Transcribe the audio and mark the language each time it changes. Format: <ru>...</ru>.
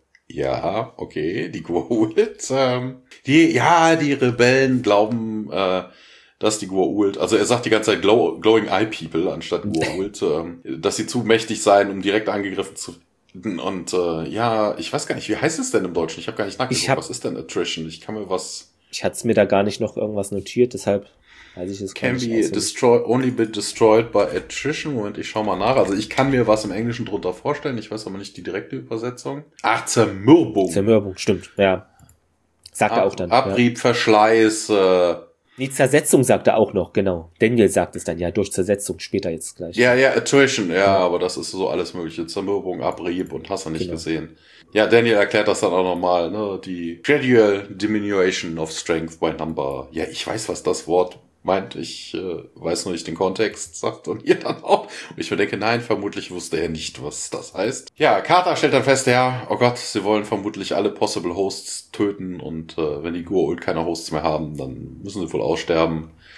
<de>Ja, okay, die Gua'uld. Die Rebellen glauben, dass die Gua'uld, also er sagt die ganze Zeit</de> <en>glowing eye people</en> <de>anstatt Gua'uld, dass sie zu mächtig seien, um direkt angegriffen zu werden. Und ja, ich weiß gar nicht, wie heißt es denn im Deutschen? Ich habe gar nicht nachgeguckt, was ist denn Attrition? Ich kann mir was... Ich hatte es mir da gar nicht noch irgendwas notiert, deshalb weiß ich es gar nicht.</de> <en>Can be destroyed, only be destroyed by attrition.</en> <de>Moment, ich schau mal nach. Also ich kann mir was im Englischen drunter vorstellen, ich weiß aber nicht die direkte Übersetzung. Ach, Zermürbung. Zermürbung, stimmt, ja. Sagt er auch dann. Abrieb, ja. Verschleiß, Die Zersetzung sagt er auch noch, genau. Daniel sagt es dann ja, durch Zersetzung, später jetzt gleich. Ja, ja, Attrition, ja, genau. Aber das ist so alles mögliche. Zermürbung, Abrieb und hast du nicht gesehen. Ja, Daniel erklärt das dann auch nochmal, ne? Die</de> <en>Gradual Diminution of Strength by Number.</en> <de>Ja, ich weiß, was das Wort meint. Ich weiß nur nicht den Kontext, sagt und ihr dann auch. Und ich mir denke, nein, vermutlich wusste er nicht, was das heißt. Ja, Carter stellt dann fest, ja, oh Gott, sie wollen vermutlich alle</de> <en>Possible Hosts</en> <de>töten und wenn die Gua'uld keine Hosts mehr haben, dann müssen sie wohl aussterben.</de>